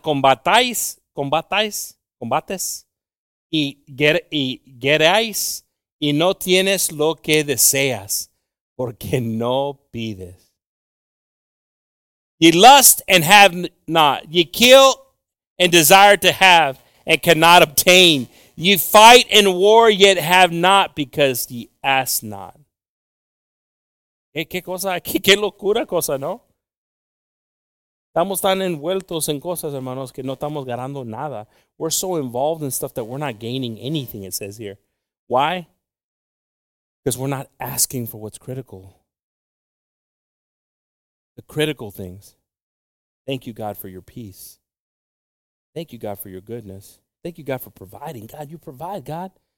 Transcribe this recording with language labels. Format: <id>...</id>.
<es>Combatáis y guerreáis y no tienes lo que deseas porque no pides.</es> <en>Ye lust and have not. Ye kill and desire to have and cannot obtain. Ye fight and war yet have not because ye ask not.</en> <es>¿Qué cosa aquí? ¿Qué locura cosa, no? Estamos tan envueltos en cosas, hermanos, que no estamos ganando nada.</es> <en>We're so involved in stuff that we're not gaining anything, it says here. Why? Because we're not asking for what's critical. The critical things. Thank you, God, for your peace. Thank you, God, for your goodness. Thank you, God, for providing. God, you provide, God.</en>